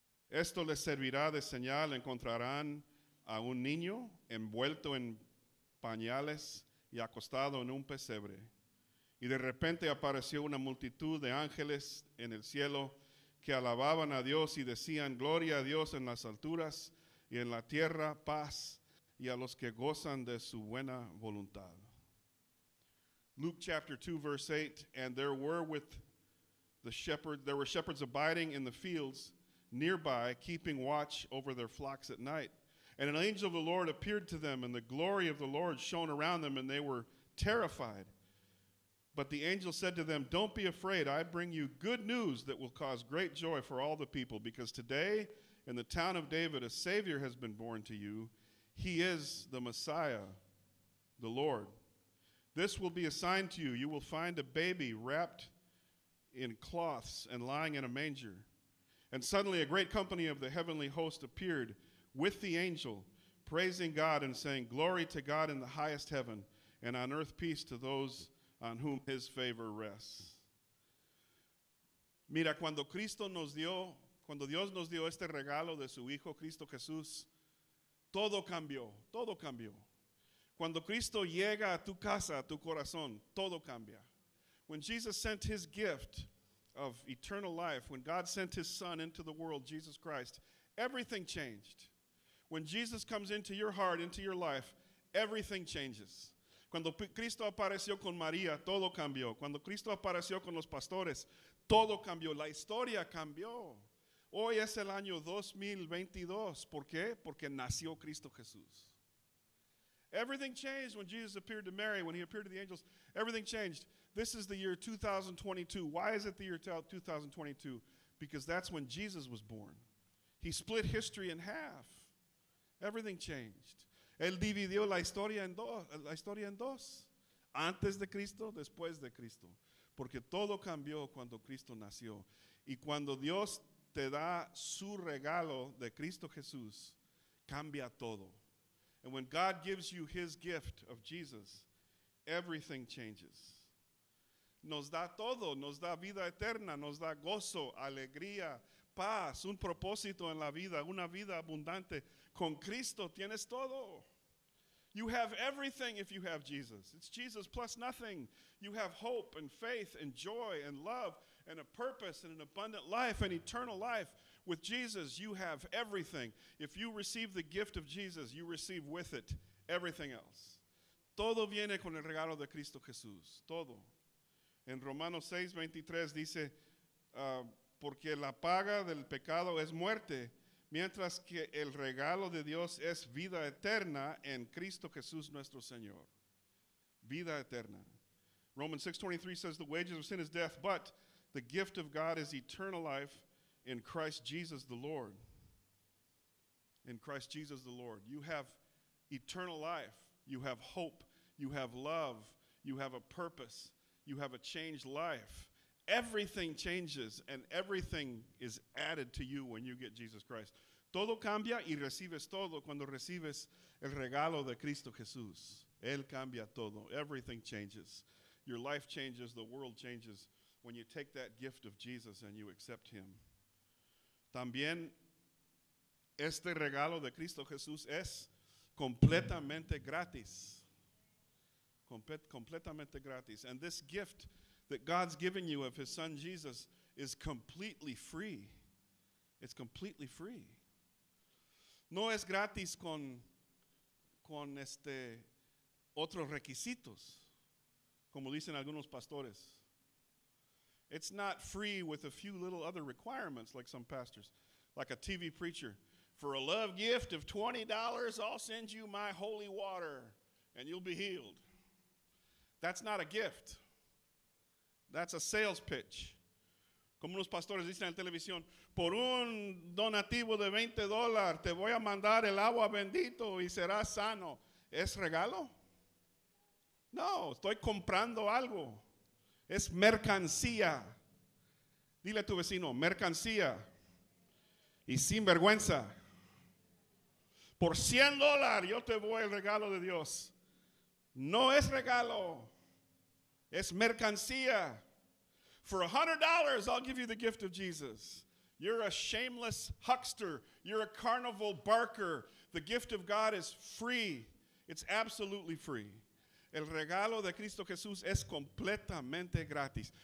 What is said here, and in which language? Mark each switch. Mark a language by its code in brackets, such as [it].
[es] Esto les servirá de señal. Encontrarán a un niño envuelto en pañales y acostado en un pesebre. Y de repente apareció una multitud de ángeles en el cielo que alababan a Dios y decían, gloria a Dios en las alturas y en la tierra, paz, y a los que gozan de su buena voluntad. [en] Luke chapter 2, verse 8, and there were with the shepherd, there were shepherds abiding in the fields nearby, keeping watch over their flocks at night. And an angel of the Lord appeared to them, and the glory of the Lord shone around them, and they were terrified. But the angel said to them, don't be afraid. I bring you good news that will cause great joy for all the people, because today in the town of David a Savior has been born to you. He is the Messiah, the Lord. This will be a sign to you. You will find a baby wrapped in cloths and lying in a manger. And suddenly a great company of the heavenly host appeared with the angel, praising God and saying, glory to God in the highest heaven, and on earth peace to those on whom his favor rests. [es] Mira, cuando Cristo nos dio, cuando Dios nos dio este regalo de su Hijo, Cristo Jesús, todo cambió, todo cambió. Cuando Cristo llega a tu casa, a tu corazón, todo cambia. [en] When Jesus sent his gift of eternal life, when God sent his Son into the world, Jesus Christ, everything changed. When Jesus comes into your heart, into your life, everything changes. [es] Cuando Cristo apareció con María, todo cambió. Cuando Cristo apareció con los pastores, todo cambió. La historia cambió. Hoy es el año 2022. ¿Por qué? Porque nació Cristo Jesús. [en] Everything changed when Jesus appeared to Mary, when he appeared to the angels. Everything changed. This is the year 2022. Why is it the year 2022? Because that's when Jesus was born. He split history in half. Everything changed. [es] Él dividió la historia en dos. Antes de Cristo, después de Cristo. Porque todo cambió cuando Cristo nació. Y cuando Dios te da su regalo de Cristo Jesús, cambia todo. [en] And when God gives you his gift of Jesus, everything changes. [es] Nos da todo, nos da vida eterna, nos da gozo, alegría, paz, un propósito en la vida, una vida abundante. Con Cristo tienes todo. [en] You have everything if you have Jesus. It's Jesus plus nothing. You have hope and faith and joy and love and a purpose and an abundant life and eternal life. With Jesus, you have everything. If you receive the gift of Jesus, you receive with it everything else. [es] Todo viene con el regalo de Cristo Jesús. Todo. En Romanos 6:23 dice, porque la paga del pecado es muerte, mientras que el regalo de Dios es vida eterna en Cristo Jesús nuestro Señor. Vida eterna. [en] Romans 6:23 says, the wages of sin is death, but the gift of God is eternal life in Christ Jesus the Lord. In Christ Jesus the Lord. You have eternal life. You have hope. You have love. You have a purpose. You have a changed life. Everything changes and everything is added to you when you get Jesus Christ. [es] Todo cambia y recibes todo cuando recibes el regalo de Cristo Jesús. Él cambia todo. [en] Everything changes. Your life changes. The world changes when you take that gift of Jesus and you accept him. [es] También este regalo de Cristo Jesús es completamente gratis. Completamente gratis. [en] And this gift that God's giving you of his son Jesus is completely free. It's completely free. [es] No es gratis con otros requisitos, como dicen algunos pastores. [en] It's not free with a few little other requirements, like some pastors, like a TV preacher. For a love gift of $20, I'll send you my holy water, and you'll be healed. That's not a gift. That's a sales pitch. [es] Como los pastores dicen en televisión, por un donativo de $20, te voy a mandar el agua bendito y serás sano. ¿Es regalo? No, estoy comprando algo. Es mercancía. Dile a tu vecino, mercancía. Y sin vergüenza. Por $100 yo te voy el regalo de Dios. No es regalo. Es mercancía. [en] For $100 I'll give you the gift of Jesus. You're a shameless huckster. You're a carnival barker. The gift of God is free. It's absolutely free. [es] El regalo de Cristo Jesús es completamente gratis.